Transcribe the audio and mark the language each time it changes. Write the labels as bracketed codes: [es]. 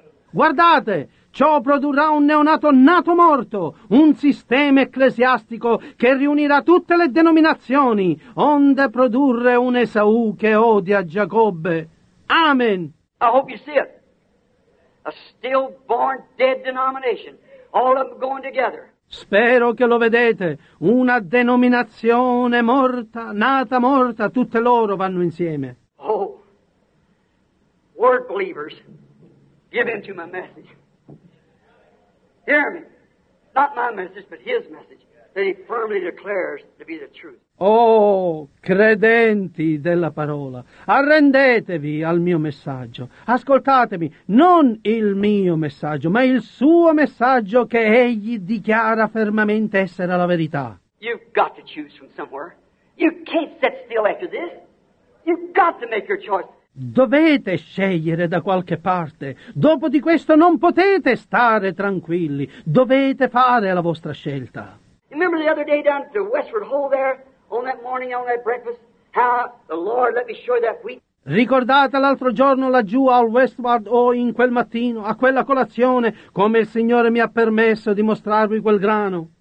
[it] Guardate, ciò produrrà un neonato nato morto, un sistema ecclesiastico che riunirà tutte le denominazioni, onde produrre un Esaù che odia Giacobbe. Amen. [en] I hope you see it. A stillborn dead denomination, all of them going together. [it] Spero che lo vedete, una denominazione morta, nata morta, tutte loro vanno insieme. [en] Oh, word believers, give in to my message. Hear me, not my message, but his message that he firmly declares to be the truth. [it] Oh, credenti della parola, arrendetevi al mio messaggio. Ascoltatemi, non il mio messaggio, ma il suo messaggio che egli dichiara fermamente essere la verità. [en] You've got to choose from somewhere. You can't sit still after this. You've got to make your choice. [it] Dovete scegliere da qualche parte. Dopo di questo non potete stare tranquilli. Dovete fare la vostra scelta. [en] Remember the other day down at the Westward Hole there, on that morning, on that breakfast, how the Lord let me show you that wheat? [it] Ricordate l'altro giorno laggiù al Westward o in quel mattino, a quella colazione, come il Signore mi ha permesso di mostrarvi quel grano?